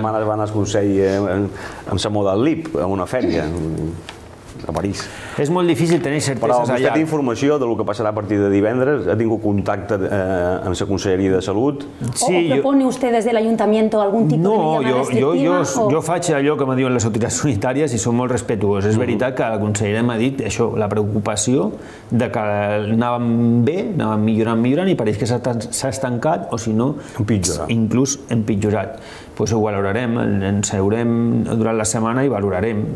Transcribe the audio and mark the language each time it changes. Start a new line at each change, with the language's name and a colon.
Catalan: Fa dues setmanes van al Consell amb la moda LIP, a una fèria, a París. És molt difícil tenir certeses allà. Però vostè té informació del que passarà a partir de divendres? Ha tingut contacte amb la Conselleria de Salut?
Spanish: Sí, o propone usted desde el Ayuntamiento algún tipo de medida restrictiva?
Catalan: No, jo faig allò que me diuen les autoritats sanitàries i són molt respectuosos. És veritat que la consellera m'ha dit això, la preocupació de que anàvem bé, anàvem millorant i pareix que s'ha estancat o si no, empitjorat. Inclús empitjorat. pues ho valorarem, ens seurem durant la setmana i valorarem.